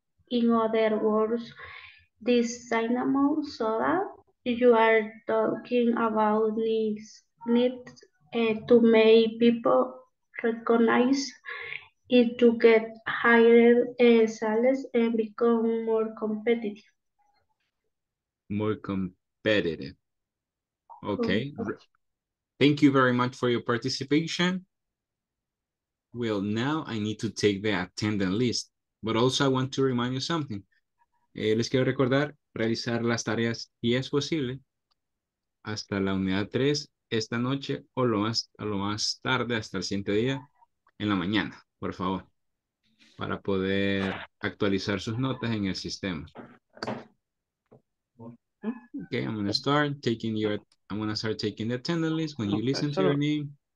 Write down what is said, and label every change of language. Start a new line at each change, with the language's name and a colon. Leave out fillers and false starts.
English: In other words, this cinnamon soda you are talking about needs to make people recognize it to get higher sales and become more competitive. More competitive. Okay. Thank you very much for your participation. Well, now I need to take the attendance list, but also I want to remind you something.
Spanish: Les quiero recordar realizar las tareas si es posible hasta la unidad 3 esta noche o lo más tarde hasta el siguiente día en la mañana, por favor, para poder actualizar sus notas en el sistema.
English: Okay, I'm gonna start taking the attendance list when you listen to your name.